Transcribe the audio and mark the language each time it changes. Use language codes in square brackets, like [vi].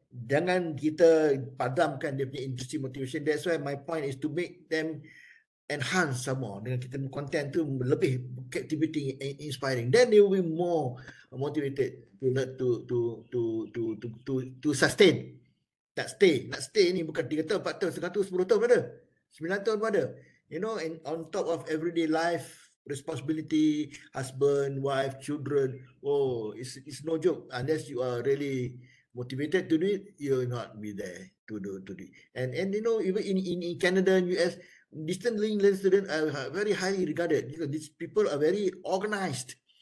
[ms] Jangan kita padamkan dia punya intrinsic motivation. [en] That's why my point is to make them enhance some more [ms] dengan kita punya content tu [en] lebih captivating and inspiring. Then they will be more motivated to sustain. [ms] Nak stay ni bukan 3 tahun, 4 tahun, 1 tahun, 10 tahun ada. 9 tahun ada. [en] You know, and on top of everyday life, responsibility, husband, wife, children, it's no joke. Unless you are really motivated to do it, you'll not be there to do it. And you know, even in Canada and US, distant learning students are very highly regarded because these people are very organized.